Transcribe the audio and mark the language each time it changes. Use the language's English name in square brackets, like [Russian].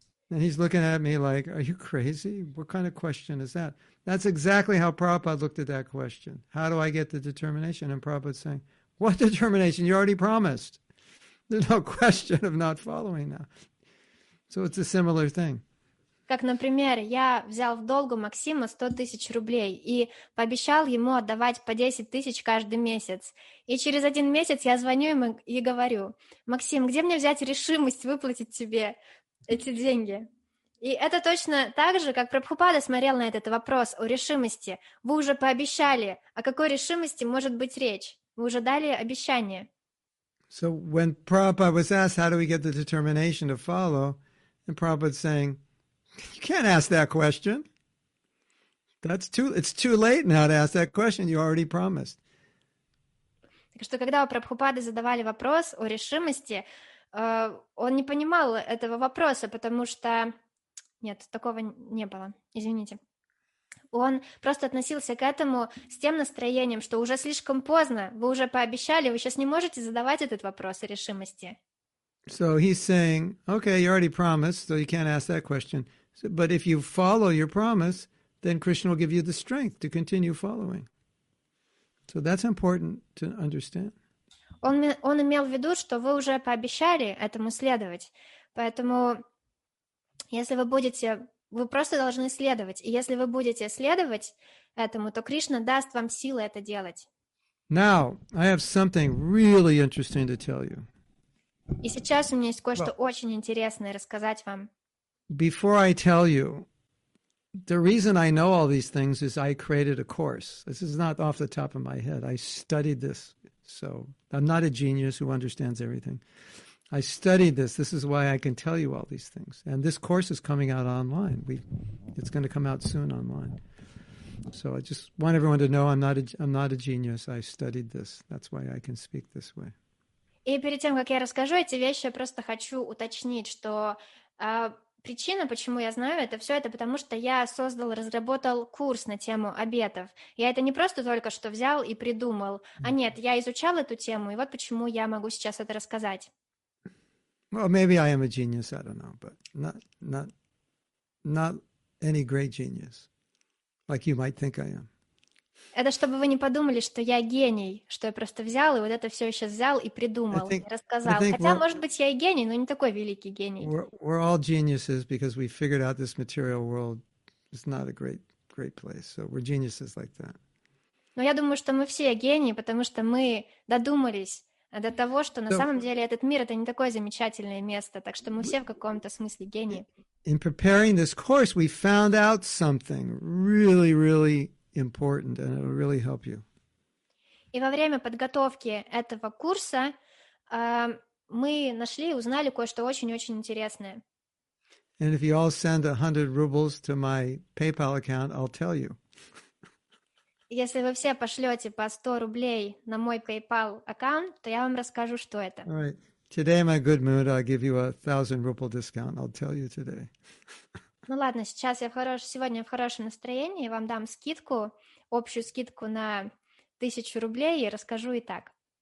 [English] And he's looking at me like, are you crazy? What kind of question is that? That's exactly how Prabhupada looked at that question. How do I get the determination? And Prabhupada's saying, what determination? You already promised. There's no question of not following now. So it's a similar thing. [Russian] Как, например, я взял в долг у Максима 100 тысяч рублей и пообещал ему отдавать по 10 тысяч каждый месяц. И через один месяц я звоню ему и говорю, Максим, где мне взять решимость выплатить тебе эти деньги? И это точно так же, как Прабхупада смотрел на этот вопрос о решимости. Вы уже пообещали, о какой решимости может быть речь? Вы уже дали обещание. [English] So when Prabhupada was asked, how do we get the determination to follow, and Prabhupada's saying, you can't ask that question. It's too late now to ask that question. You already promised. [Russian] Так что когда у Прабхупады задавали вопрос о решимости, он не понимал этого вопроса, потому что... Нет, такого не было. Извините. Он просто относился к этому с тем настроением, что уже слишком поздно, вы уже пообещали, вы сейчас не можете задавать этот вопрос о решимости. [English] So he's saying, okay, you already promised, so you can't ask that question. So, but if you follow your promise, then Krishna will give you the strength to continue following. So that's important to understand. [Russian] Он имел в виду, что вы уже пообещали этому следовать. Поэтому, если вы будете, вы просто должны следовать. И если вы будете следовать этому, то Кришна даст вам силы это делать. [English] Now, I have something really interesting to tell you. [Russian] И сейчас у меня есть кое-что очень интересное рассказать вам. [English] Before I tell you, the reason I know all these things is I created a course. This is not off the top of my head. I studied this. So I'm not a genius who understands everything. I studied this. This is why I can tell you all these things. And this course is coming out online. It's going to come out soon online. So I just want everyone to know I'm not a genius. I studied this. That's why I can speak this way. [Russian] И перед тем, как я расскажу эти вещи, я просто хочу уточнить, что причина, почему я знаю это все, это потому что я создал, разработал курс на тему обетов. Я это не просто только что взял и придумал, а нет, я изучал эту тему, и вот почему я могу сейчас это рассказать. [English] Well, maybe I am a genius, I don't know, but not any great genius, like you might think I am. [Russian] Это чтобы вы не подумали, что я гений, что я просто взял и вот это все сейчас взял и придумал, [English] think, [Russian] и рассказал. Хотя, может быть, я и гений, но не такой великий гений. [English] We're all geniuses because we figured out this material world is not a great, great place. So we're geniuses like that. [Russian] Но я думаю, что мы все гении, потому что мы додумались до того, что на самом деле этот мир — это не такое замечательное место. Так что мы все в каком-то смысле гении. [English] In preparing this course, we found out something really, really important, and it will really help you. [Russian] И во время подготовки этого курса мы нашли и узнали кое-что очень-очень интересное. [English] And if you all send 100 rubles to my PayPal account, I'll tell you. [Russian] Если вы все пошлете по 100 рублей на мой PayPal аккаунт, то я вам расскажу, что это. [English] All right. Today my good mood, I'll give you a 1,000 ruble discount. I'll tell you today. [Russian] Ну ладно, сейчас я сегодня в хорошем настроении, вам дам скидку, общую скидку на 1000 рублей, и расскажу и так.